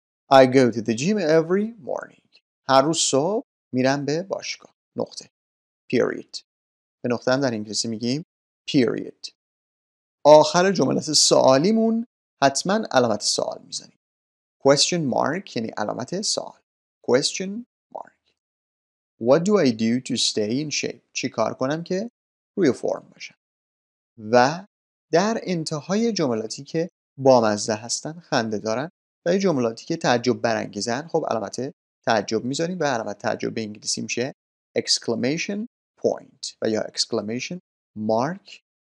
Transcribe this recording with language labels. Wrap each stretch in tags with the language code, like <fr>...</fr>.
<en>I go to the gym every morning.</en> <fa>هر روز صبح میرم به باشگاه. نقطه. Period. به نقطه هم در انگلیسی میگیم period. آخر جملات سوالیمون حتما علامت سوال میزنیم.</fa> <en>Question mark</en> <fa>یعنی علامت سوال.</fa> <en>Question mark. What do I do to stay in shape?</en> <fa>چی کار کنم که روی فرم باشم؟ و در انتهای جملاتی که بامزه هستن، خنده دارن و یه جملاتی که تعجب برانگیزن، خب علامت تعجب میذاریم و علامت تعجب به انگلیسی میشه exclamation point و یا exclamation mark.</fa>